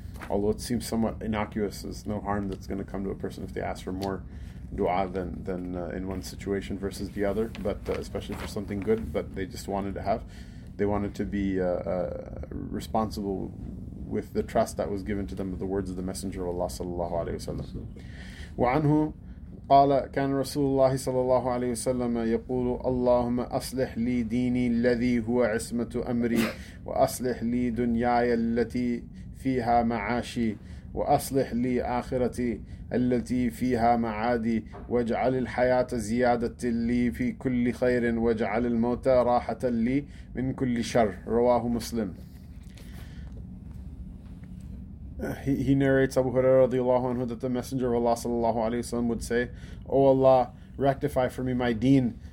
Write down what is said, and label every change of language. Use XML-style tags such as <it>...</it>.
<en>Although it seems somewhat innocuous, there's no harm that's going to come to a person if they ask for more dua than in one situation versus the other, but especially for something good. But they just wanted to have, they wanted to be responsible with the trust that was given to them of the words of the Messenger of Allah sallallahu alaihi wasallam.</en> <ar>وعنه قال كان رسول الله صلى الله عليه وسلم يقول اللهم أصلح لي ديني الذي هو عصمة أمري وأصلح لي دنياي التي فيها معاشي وأصلح لي آخرتي التي فيها معادي واجعل الحياة زيادة لي في كل خير واجعل الموت راحة لي من كل شر رواه مسلم.</ar> <en>He narrates Abu Hurairah radiallahu anhu that the Messenger of Allah sallallahu alaihi wasallam would say, "O Allah, rectify for me my deen."</en>